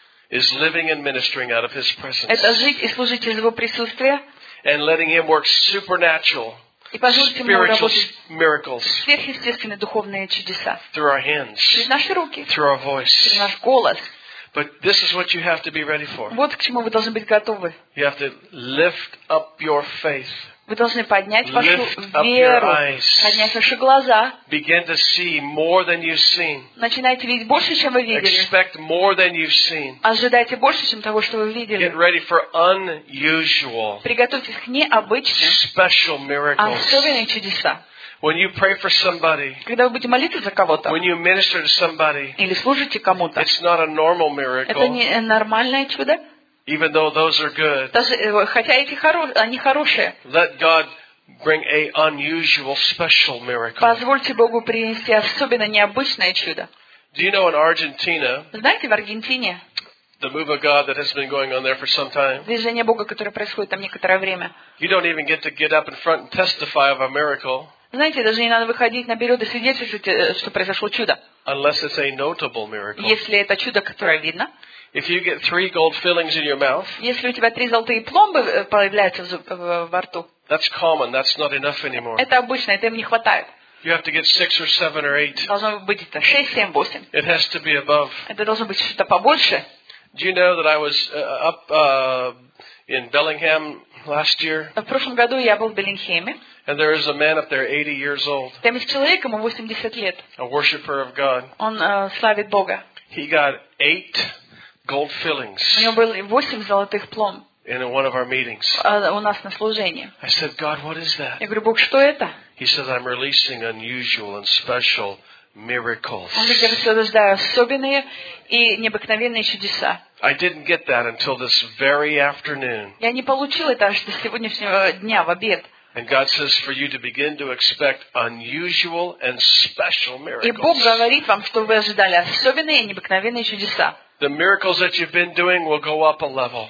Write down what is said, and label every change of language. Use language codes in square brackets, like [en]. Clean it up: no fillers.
[en] Is living and ministering out of His presence. [ru] Это жить и служить из Его присутствия. [en] And letting Him work supernatural, spiritual miracles. [ru] Сверхъестественные духовные чудеса. [en] Through our hands. [ru] Через наши руки. [en] Through our voice. [ru] Через наш голос. [en] But this is what you have to be ready for. [ru] Вот к чему вы должны быть готовы. [en] You have to lift up your faith. [ru] Вы должны поднять вашу веру, поднять ваши глаза. [en] Begin to see more than you've seen. [ru] Начинайте видеть больше, чем вы видели. [en] Expect more than you've seen. [ru] Ожидайте больше, чем того, что вы видели. [en] Get ready for unusual. [ru] Приготовьтесь к необычным. [en] Special miracles. [ru] Особенные чудеса. [en] When you pray for somebody, [ru] когда вы будете молиться за кого-то, [en] when you minister to somebody, [ru] или служите кому-то, [en] it's not a normal miracle. [ru] Это не нормальное чудо. [en] Even though those are good, [ru] даже хотя эти они хорошие. [en] Let God bring a unusual, special miracle. [ru] Позвольте Богу принести особенно необычное чудо. [en] Do you know in Argentina? [ru] Знаете, в Аргентине? [en] The move of God that has been going on there for some time. [ru] Движение Бога, которое происходит там некоторое время. [en] You don't even get to get up in front and testify of a miracle. [ru] Знаете, даже не надо выходить наперед и свидетельствовать, что произошло чудо. [en] Unless it's a notable miracle. [ru] Если это чудо, которое видно. [en] If you get three gold fillings in your mouth. [ru] Если у тебя три золотые пломбы появляются во рту. [en] That's common. That's not enough anymore. [ru] Это обычно, это им не хватает. [en] You have to get six or seven or eight. [ru] Должно быть это 6, 7, 8. [en] It has to be above. [ru] Это должно быть что-то побольше. [en] Do you know that I was up in Bellingham last year? [ru] В прошлом году я был в Беллингхэме. [en] And there is a man up there 80 years old. [ru] Там есть человек, ему 80 лет. [en] A worshipper of God. [ru] Он славит Бога. [en] He got 8 gold fillings. [ru] У него было 8 золотых пломб. [en] In one of our meetings. [ru] У нас на служении. [en] I said, God, what is that? [ru] Я говорю, Бог, что это? [en] He says, I'm releasing unusual and special miracles. [ru] Он говорит, я высвобождаю особенные и необыкновенные чудеса. [en] I didn't get that until this very afternoon. [ru] Я не получил это аж до сегодняшнего дня в обед. [en] And God says for you to begin to expect unusual and special miracles. [ru] И Бог говорит вам, что вы ожидали особенные и необыкновенные чудеса. [en] The miracles that you've been doing will go up a level.